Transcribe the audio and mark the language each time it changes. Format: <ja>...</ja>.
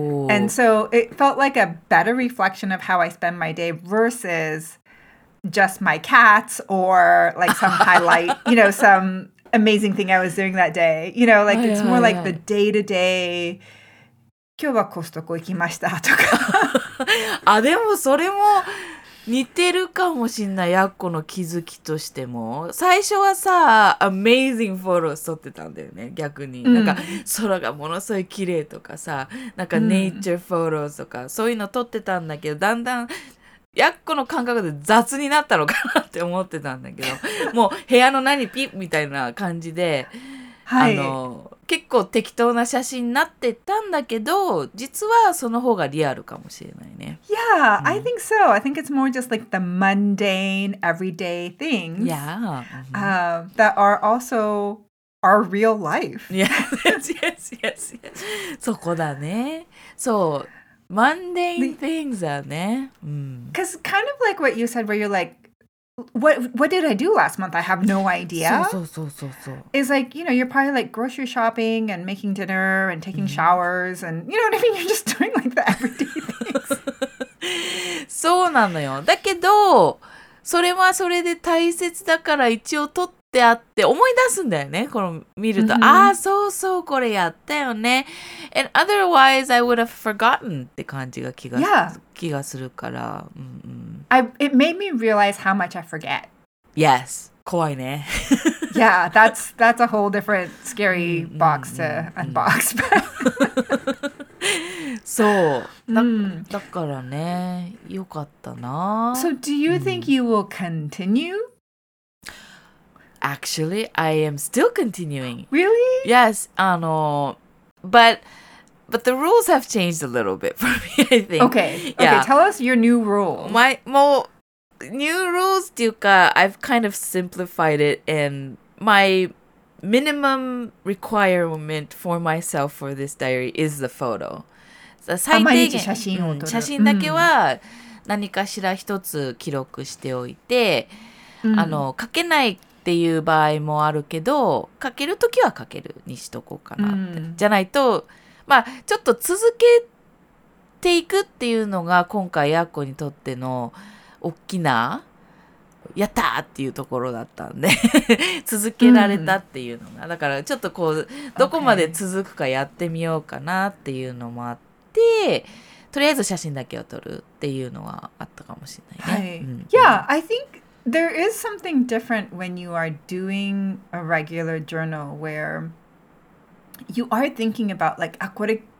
<en>And so it felt like a better reflection of how I spend my day versus just my cats or like some highlight, you know, some amazing thing I was doing that day. You know, like it's more like the day-to-day.</en> <ja>今日はコストコ行きましたとか。あ、でもそれも似てるかもしんない。やっこの気づきとしても。最初はさ、</ja> <en>amazing photos</en> <ja>撮ってたんだよね、逆に。なんか空がものすごい綺麗とかさ、なんか</ja> <en>nature photos</en> <ja>とか、そういうの撮ってたんだけど、だんだん、やっこの感覚で雑になったのかなって思ってたんだけど、もう部屋の何ピッみたいな感じで、はい、結構適当な写真になってたんだけど、実はその方がリアルかもしれないね。</ja> <en>Yeah,、うん、I think so. I think it's more just like the mundane everyday things. Yeah.、 That are also our real life. Yes, yes, yes, yes.</en> <ja>そこだね。そう。</ja> <en>Mundane things are, ne? Because kind of like what you said, where you're like, what did I do last month? I have no idea. It's like, you know, you're probably like grocery shopping and making dinner and taking showers and, you know what I mean? You're just doing like the everyday things.</en> <ja>そうなのよ。だけど、それはそれで大切だから一応撮ってあって思い出すんだよね。この見ると、ああ、そうそう、これやったよね。</ja> <en>And otherwise, I would have forgotten</en> <ja>って感じが気がするから。</ja> <en>It made me realize how much I forget.</en> <ja>Yes. 怖いね。</ja> <en>Yeah, that's a whole different scary box to unbox.</en> <ja>そう。だからね、よかったな。</ja> <en>So do you think you will continue? Actually, I am still continuing. Really? Yes. But the rules have changed a little bit for me, I think. Okay. Yeah. Okay, tell us your new rule. New rules</en> <ja>っていうか、</ja> <en>I've kind of simplified it, and my minimum requirement for myself for this diary is the photo.</en> <ja>最低限、写真を撮る。写真だけは何かしら一つ記録しておいて、書けないっていう場合もあるけど、書けるときは書けるにしとこうかなって。じゃないと、まあ、ちょっと続けていくっていうのが今回やっこにとっての大きなやったーっていうところだったんで続けられたっていうのが、だからちょっとこうどこまで続くかやってみようかなっていうのもあって、okay. とりあえず写真だけを撮るっていうのはあったかもしれないね、</ja> <en>はい、Yeah, I think there is something different when you are doing a regular journal where you are thinking about like,</en> <ja>あ、これ</ja>